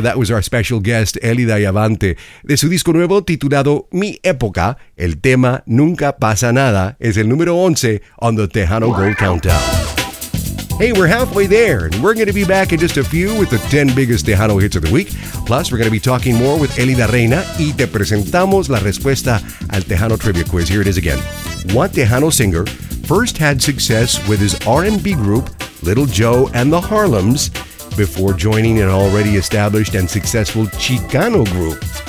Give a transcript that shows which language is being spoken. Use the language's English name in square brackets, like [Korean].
[English] That was our special guest, Elida Yavante. [Spanish] De su disco nuevo titulado Mi Época, el tema Nunca Pasa Nada es el número 11 [English] on the Tejano Gold Countdown. Hey, we're halfway there, and we're going to be back in just a few with the 10 biggest Tejano hits of the week. Plus, we're going to be talking more with Elida Reina, [Spanish] y te presentamos la respuesta al Tejano [English] Trivia Quiz. Here it is again. What Tejano singer first had success with his R&B group, Little Joe and the Harlems, before joining an already established and successful Chicano group?